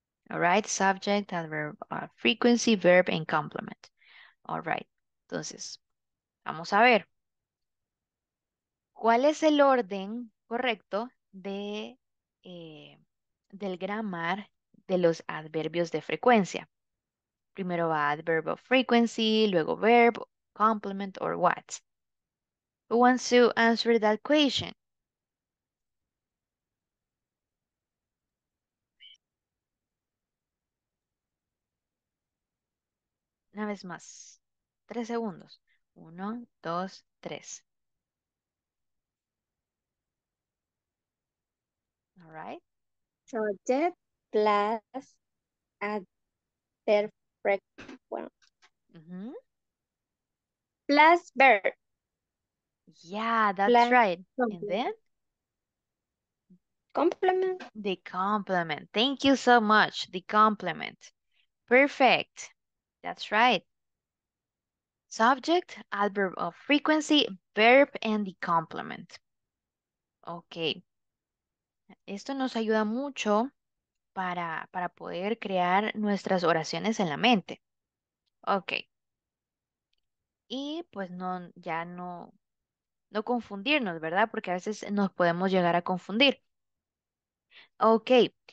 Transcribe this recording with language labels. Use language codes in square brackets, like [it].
[en] All right. Subject, adverb, frequency, verb, and complement. All right. [es] Entonces, vamos a ver. ¿Cuál es el orden correcto del grammar de los adverbios de frecuencia? Primero va adverb of frequency, luego verb, complement, [en] or what? Who wants to answer that question? [es] Una vez más, 3 segundos. 1, 2, 3. [en] All right. Subject plus adverb frequency. Mm-hmm. Plus verb. Yeah, that's plus right. Complement. And then? Complement. The complement. Thank you so much. The complement. Perfect. That's right. Subject, adverb of frequency, verb, and the complement. Okay. [es] Esto nos ayuda mucho para poder crear nuestras oraciones en la mente. Ok. Y pues no confundirnos, ¿verdad? Porque a veces nos podemos llegar a confundir. Ok.